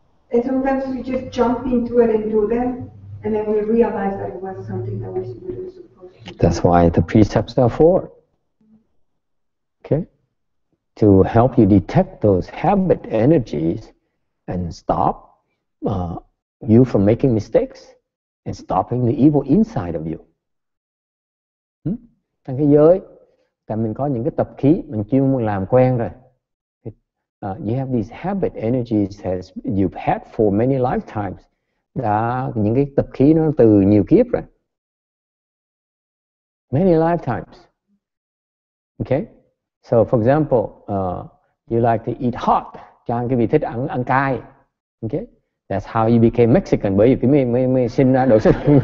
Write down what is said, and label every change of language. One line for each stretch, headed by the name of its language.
English: And sometimes we just jump into it and do them, and then we realize that it was something that we weren't supposed to do. That's why the precepts are for. Okay? To help you detect those habit energies and stop you from making mistakes. And stopping the evil inside of you.
Vietnamese: Thành cái giới, tại mình có những cái tập khí, mình chưa muốn làm quen rồi.
English: You have these habit energies that you've had for many lifetimes.
Vietnamese: Đã, những cái tập khí nó từ nhiều kiếp rồi.
English: Many lifetimes. Okay? So for example, you like to eat hot.
Vietnamese: Cho anh cái vị thích ăn cay. Okay?
English: That's how you became Mexican.
Vietnamese: Bởi vì mới sinh ra đổi sinh.